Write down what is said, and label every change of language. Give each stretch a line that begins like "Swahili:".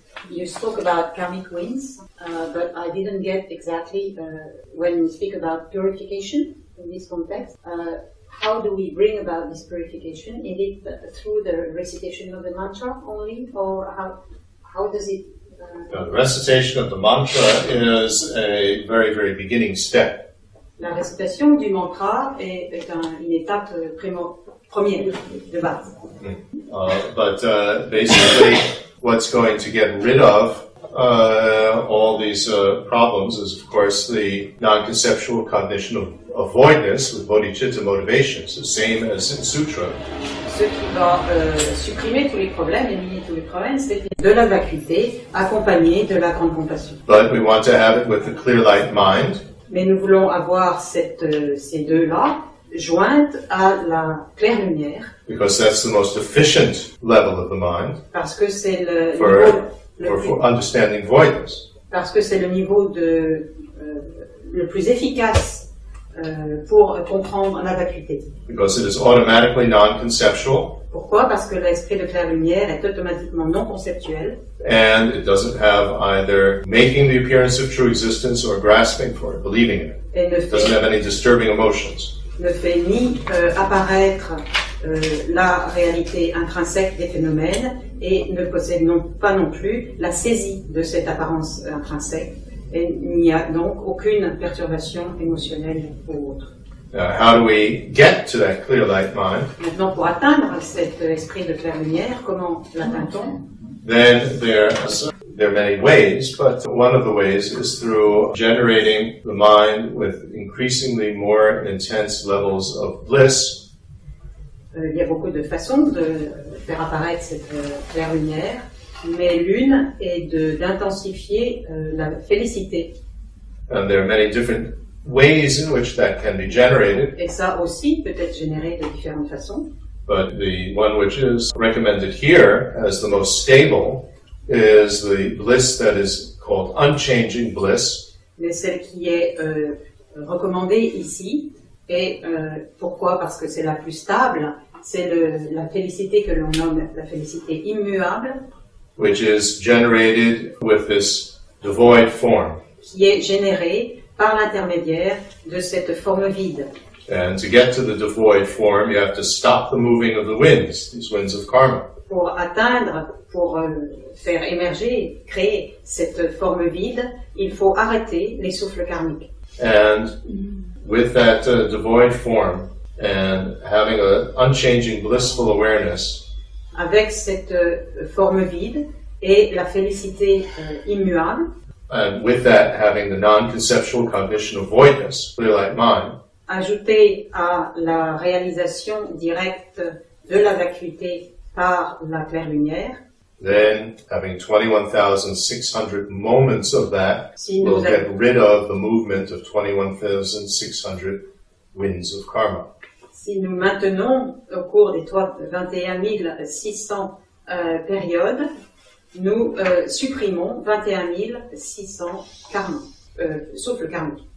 English: You spoke about karmic winds, but I didn't get exactly when you speak about purification in this context. How do we bring about this purification? Is it through the recitation of the mantra only, or how does it? The recitation of the mantra is a very, very beginning step.
French: La récitation du mantra est une étape première de base.
English: Basically, what's going to get rid of all these problems is, of course, the non-conceptual cognition of voidness with bodhicitta motivations, the same as in sutra.
French: Ce qui va supprimer tous les problèmes, éliminer tous les problèmes, c'est de la vacuité accompagnée de la grande compassion.
English: But we want to have it with a clear light mind.
French: Mais nous voulons avoir ces deux-là jointes à la claire lumière.
English: Because that's the most efficient level of the mind.
French: Parce que c'est le
English: For understanding voidness.
French: Parce que c'est le niveau de le plus efficace pour comprendre la vacuité.
English: Because it is automatically non-conceptual.
French: Pourquoi? Parce que l'esprit de clair lumière est automatiquement non conceptuel.
English: And it doesn't have either making the appearance of true existence or grasping for it, believing in it.
French: Et ne
English: it doesn't have any disturbing emotions.
French: Ne fait ni apparaître la réalité intrinsèque des phénomènes et ne possède pas non plus la saisie de cette apparence intrinsèque. Et il n'y a donc aucune perturbation émotionnelle ou autre.
English: How do we get to that clear light mind?
French: Maintenant, pour atteindre cet esprit de claire lumière, comment l'atteint-on?
English: Then there are many ways, but one of the ways is through generating the mind with increasingly more intense levels of bliss.
French: Il y a beaucoup de façons de faire apparaître cette claire lumière, mais l'une est d'intensifier la félicité.
English: And there are many different ways in which that can be generated.
French: Et ça aussi peut être généré de différentes façons.
English: But the one which is recommended here as the most stable is the bliss that is called unchanging bliss.
French: Mais celle qui est recommandée ici est pourquoi? Parce que c'est la plus stable. C'est la félicité que l'on nomme la félicité immuable.
English: Which is generated with this devoid form.
French: Qui est générée par l'intermédiaire de cette forme vide.
English: And to get to the devoid form, you have to stop the moving of the winds, these winds of karma.
French: Pour atteindre, pour faire émerger, créer cette forme vide, il faut arrêter les souffles karmiques.
English: And with that devoid form, and having an unchanging blissful awareness.
French: Avec cette forme vide et la félicité immuable.
English: And with that, having the non-conceptual cognition of voidness, clear light mind.
French: Ajouté à la réalisation directe de la vacuité par la claire lumière.
English: Then, having 21,600 moments of that, we'll get rid of the movement of 21,600 winds of karma.
French: Si nous maintenons au cours des 21,600 périodes, nous supprimons 21,600 karma, souffle karmique.